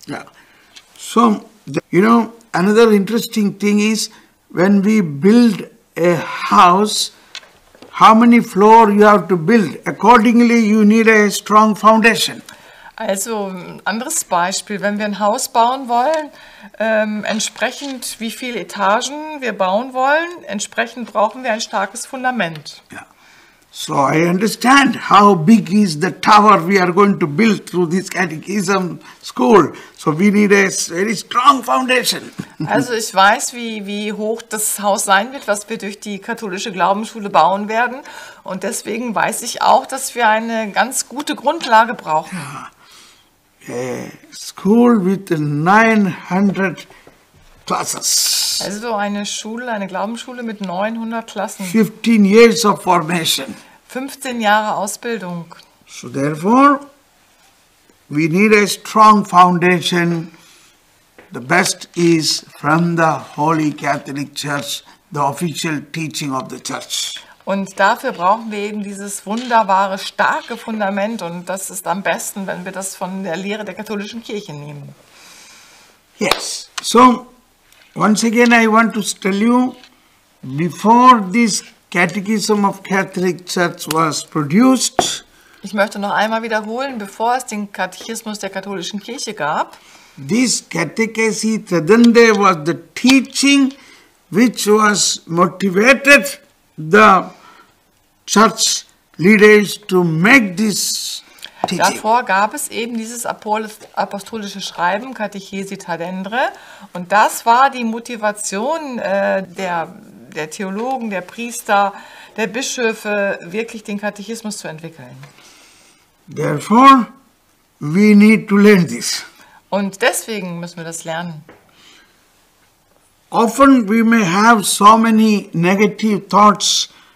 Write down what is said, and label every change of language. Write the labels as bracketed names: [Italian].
[English] Yeah. So, you know, another interesting thing is when we build a house, how many floor you have to build? Accordingly, you need a strong foundation. [German] Also, ein anderes Beispiel, wenn wir ein Haus bauen wollen, entsprechend wie viele Etagen wir bauen wollen, entsprechend brauchen wir ein starkes Fundament. [English] Yeah. So I understand how big is the tower we are going to build through this catechism school. So we need a very strong foundation. [German] Also ich weiß, wie hoch das Haus sein wird, was wir durch die katholische Glaubensschule bauen werden. Und deswegen weiß ich auch, dass wir eine ganz gute Grundlage brauchen. [English] Yeah. A school with 900 classes. [German] Also eine Schule, eine Glaubensschule mit 900 Klassen. [English] 15 years of formation. [German] 15 Jahre Ausbildung. [English] So therefore, we need a strong foundation. The best is from the Holy Catholic Church, the official teaching of the Church. [German] Und dafür brauchen wir eben dieses wunderbare, starke Fundament. Und das ist am besten, wenn wir das von der Lehre der katholischen Kirche nehmen. [English] Yes. So, once again, I want to tell you, before this Catechism of Catholic Church was produced. [German] Ich möchte noch einmal wiederholen, bevor es den Katechismus der katholischen Kirche gab. [English] This Catechesi Tridende was the teaching which was motivated the church leaders to make this teaching. [German] Davor gab es eben dieses apostolische Schreiben, Catechesi Tridende, und das war die Motivation der Theologen, der Priester, der Bischöfe, wirklich den Katechismus zu entwickeln. [English] Therefore, we need to learn this. [German] Und deswegen müssen wir das lernen. [English] Often we may have so many negative thoughts.